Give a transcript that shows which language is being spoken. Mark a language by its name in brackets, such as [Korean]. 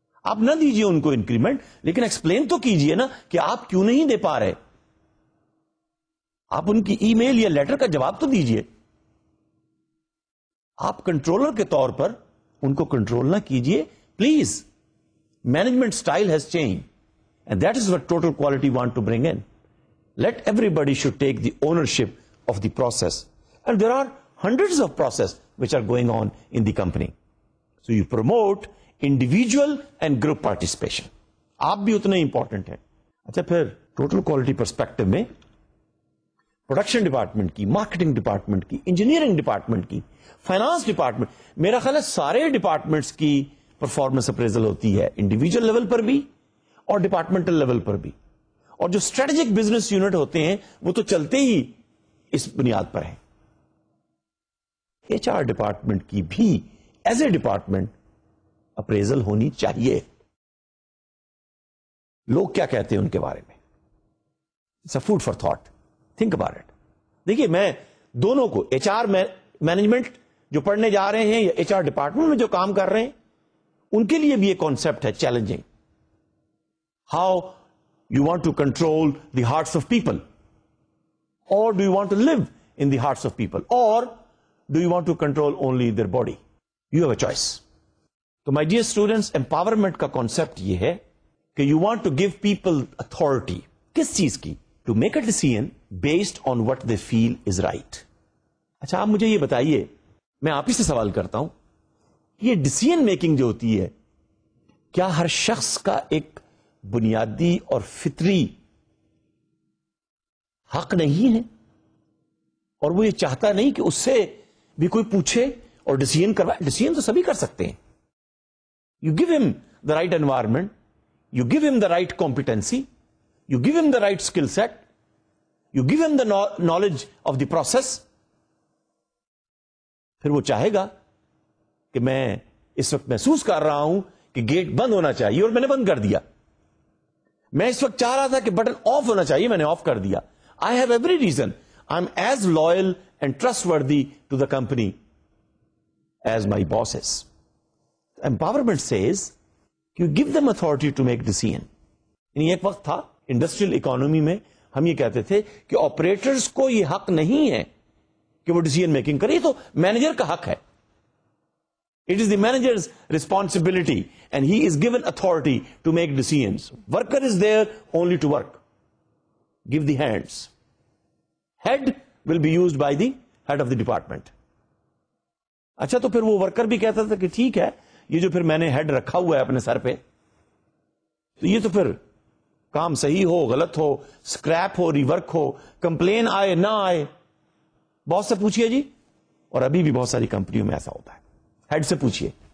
[Urdu] آپ نہ دیجیے ان کو انکریمنٹ, لیکن ایکسپلین تو کیجیے نا کہ آپ کیوں نہیں دے پا رہے. آپ ان کی ای میل یا لیٹر کا جواب تو دیجیے. آپ کنٹرولر کے طور پر ان کو کنٹرول نہ کیجیے please. [English] Management style has change and that is what total quality want to bring in. Let everybody should take the ownership of the process and there are hundred of process which are going on in the company. So you promote individual and group participation. [Urdu] آپ بھی اتنے important ہیں. اچھا پھر total quality perspective میں production department کی, marketing department کی, engineering department کی, فائنانس ڈپارٹمنٹ, میرا خیال ہے سارے ڈپارٹمنٹس کی پرفارمنس اپریزل ہوتی ہے انڈیویجل لیول پر بھی اور ڈپارٹمنٹل لیول پر بھی. اور جو اسٹریٹجک بزنس یونٹ ہوتے ہیں وہ تو چلتے ہی اس بنیاد پر ہیں. ایچ آر ڈپارٹمنٹ کی بھی ایز اے ڈپارٹمنٹ اپریزل ہونی چاہیے. لوگ کیا کہتے ہیں ان کے بارے میں, [English] It's a food for thought, think about it. [Urdu] دیکھیے میں دونوں کو, ایچ آر مینجمنٹ جو پڑھنے جا رہے ہیں یا ایچ آر ڈپارٹمنٹ میں جو کام کر رہے ہیں, ان کے لیے بھی یہ کانسیپٹ ہے challenging. How [English] You want to control the hearts of people? Or do you want to live in the hearts of people? Or do you want to control only their body? You have a choice. So my dear students, empowerment [Urdu] ka concept ye hai, ke [English] you want to give people authority. [Urdu] Kis cheez ki? [English] To make a decision based on what they feel is right. [Urdu] Achha, aap mujhe ye bataiye, main aap hi se sawal karta hoon. Ye decision making jo hoti hai, kya har shakhs ka ek بنیادی اور فطری حق نہیں ہے اور وہ یہ چاہتا نہیں کہ اس سے بھی کوئی پوچھے اور ڈیسیژن کروائے؟ ڈیسیژن تو سبھی کر سکتے ہیں. [English] you give him the right environment, you give him the right competency, you give him the right skill set, you give him the knowledge of the process, [Urdu] پھر وہ چاہے گا کہ میں اس وقت محسوس کر رہا ہوں کہ گیٹ بند ہونا چاہیے اور میں نے بند کر دیا. میں اس وقت چاہ رہا تھا کہ بٹن آف ہونا چاہیے, میں نے آف کر دیا. [English] I have every reason, I am as loyal and trustworthy to the company as my bosses. Empowerment says you give them authority to make decision. [Urdu] یعنی ایک وقت تھا انڈسٹریل اکانومی میں ہم یہ کہتے تھے کہ آپریٹرس کو یہ حق نہیں ہے کہ وہ ڈیسیژن میکنگ کرے, تو مینیجر کا حق ہے. [English] It is the manager's responsibility and he is given authority to make decisions. Worker is there only to work. Give the hands. Head will be used by the head of the department. [Urdu] اچھا تو پھر وہ worker بھی کہتا تھا کہ ٹھیک ہے یہ جو پھر میں نے head رکھا ہوا ہے اپنے سر پہ تو یہ تو پھر کام صحیح ہو غلط ہو scrap ہو rework ہو complain آئے نہ آئے بہت سے پوچھئے جی اور ابھی بھی بہت ساری کمپنیوں میں ایسا ہوتا ہے. ہیڈ سے پوچھئے.